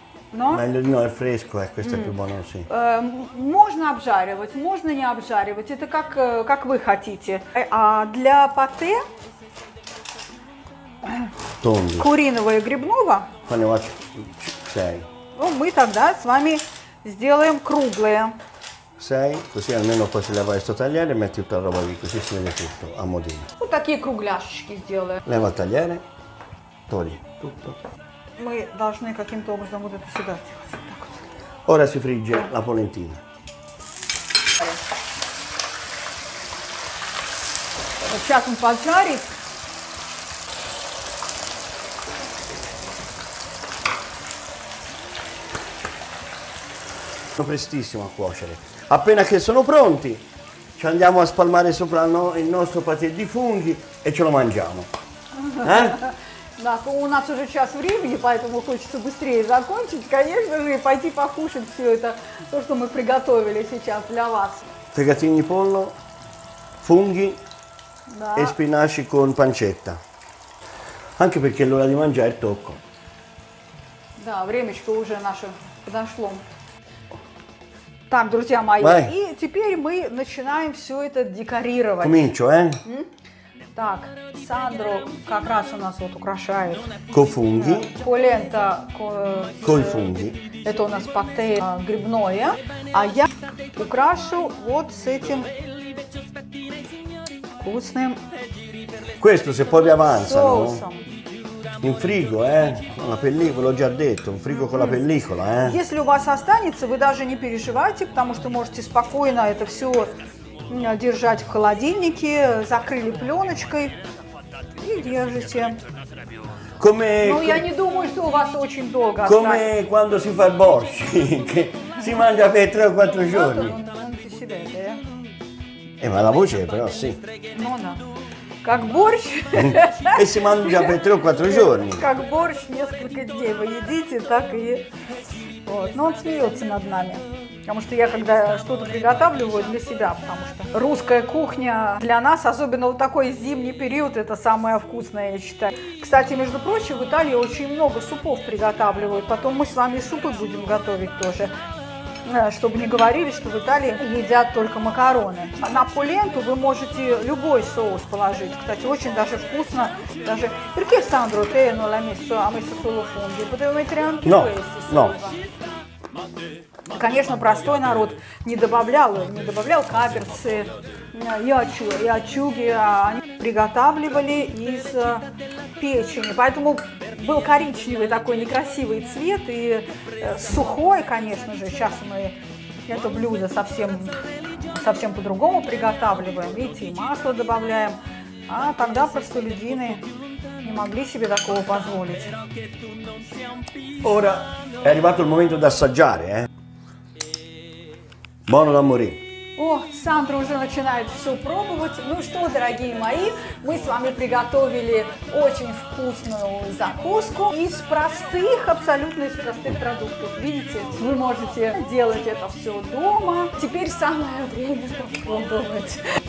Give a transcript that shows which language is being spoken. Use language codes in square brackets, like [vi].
[it] No, è fresco, questo è più buono, sì. [ru] Можно обжаривать, можно не обжаривать, это как вы хотите. А для пате куриного и грибного, ну, мы тогда с вами сделаем круглые. [it] Sei, così almeno poi se le vai sto tagliare e metti tutta la roba lì, così si vede tutto a modino. [ru] Вот такие кругляшечки сделаем. [it] Leva il tagliere, togli tutto. [ru] Мы должны каким-то образом вот это сюда сделать. [it] Ora si frigge la polentina. [ru] Сейчас он поджарит. [it] Sono prestissimo a cuocere. Appena che sono pronti, ci andiamo a spalmare sopra il nostro patè di funghi e ce lo mangiamo. [ru] Да, у нас уже час времени, поэтому хочется быстрее закончить, конечно же, и пойти покушать все это, то, что мы приготовили сейчас для вас. Фегатини полло, фунги и спинаши con панчетта. [it] Anche perché l'ora di mangiare tocco. [ru] Да, времечко уже наше подошло. Так, друзья мои, Vai. И теперь мы начинаем все это декорировать. [it] Comincio, eh? [ru] Так, Сандро как раз у нас вот украшает. Ко фунги. Полента. Коль фунги. Это у нас патэ грибное. А я украшу вот с этим вкусным. [it] Questo se poi vi avanzano. In frigo, la pellicola, l'ho già detto, un frigo con la pellicola, [ru] Если у вас останется, вы даже не переживайте, потому что можете спокойно это все держать в холодильнике, закрыли пленочкой и держите. Я не думаю, что у вас очень долго. [it] Come quando si fa il borsch, che si mangia per 3-4 giorni. Ma la voce però sì. No, no. [ru] Как борщ. И [it] si mangia per 3-4 giorni. [ru] Как борщ несколько дней вы едите, так и вот. Но он смеется над нами. Потому что я когда что-то приготавливаю для себя, потому что русская кухня для нас, особенно вот такой зимний период, это самое вкусное, я считаю. Кстати, между прочим, в Италии очень много супов приготавливают. Потом мы с вами супы будем готовить тоже. Чтобы не говорили, что в Италии едят только макароны. На пуленту вы можете любой соус положить. Кстати, очень даже вкусно. Даже... [it] Perché Sandro te non l'hai messo, ha messo solo funghi? Potevo mettere anche questo. No. [ru] Конечно, простой народ не добавлял каперсы, ячуги, они приготавливали из печени. Поэтому был коричневый такой некрасивый цвет и сухой, конечно же. Сейчас мы это блюдо совсем по-другому приготавливаем. Видите, и масло добавляем. А тогда простолюдины не могли себе такого позволить. [it] Ora è arrivato il momento di assaggiare, eh? Buono da morire. [ru] О, Сандра уже начинает все пробовать. Ну что, дорогие мои, мы с вами приготовили очень вкусную закуску из простых, абсолютно из простых продуктов. Видите, вы можете делать это все дома. Теперь самое время попробовать.